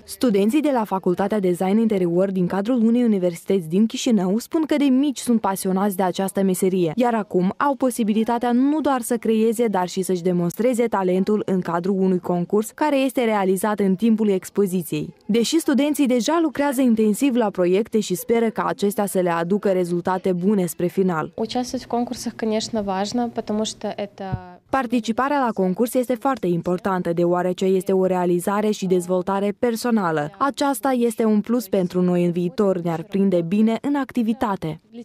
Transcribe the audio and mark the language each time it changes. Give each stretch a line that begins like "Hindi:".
Romanian: Studenții de la Facultatea Design Interior din cadrul unei universități din Chișinău spun că de mici sunt pasionați de această meserie, iar acum au posibilitatea nu doar să creeze, dar și să-și demonstreze talentul în cadrul unui concurs care este realizat în timpul expoziției. Deși studenții deja lucrează intensiv la proiecte și speră ca acestea să le aducă rezultate bune spre final.
Russian: Участвовать в конкурсах, конечно, важно, потому что это...
Romanian: Participarea la concurs este foarte importantă, deoarece este o realizare și dezvoltare personală. Aceasta este un plus pentru noi în viitor, ne-ar prinde bine în activitate.